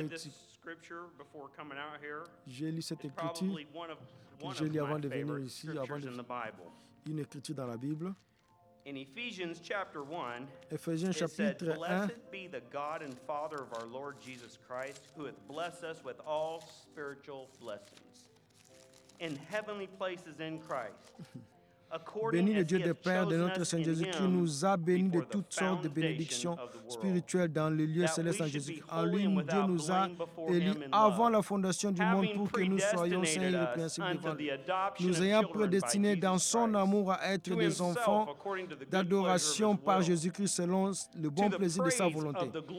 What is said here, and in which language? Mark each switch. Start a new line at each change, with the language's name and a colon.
English: I read this scripture before coming out here.
French: J'ai lu cette
English: It's
French: écriture. J'ai lu avant de venir ici, avant de
English: in the Bible.
French: Une écriture dans la Bible.
English: In Ephesians chapter 1, Ephesians chapter it says, Blessed be the God and Father of our Lord Jesus Christ, who hath blessed us with all spiritual blessings in heavenly places in Christ.
French: Béni le Dieu des Pères de notre Seigneur Jésus-Christ, nous a bénis de toutes sortes de bénédictions spirituelles dans les lieux célestes en Jésus-Christ. En lui, Dieu nous a élus avant la fondation du monde pour que nous soyons saints et répréhensibles devant lui. Nous ayant prédestinés dans son amour à être des enfants d'adoration par Jésus-Christ selon le bon plaisir de sa volonté.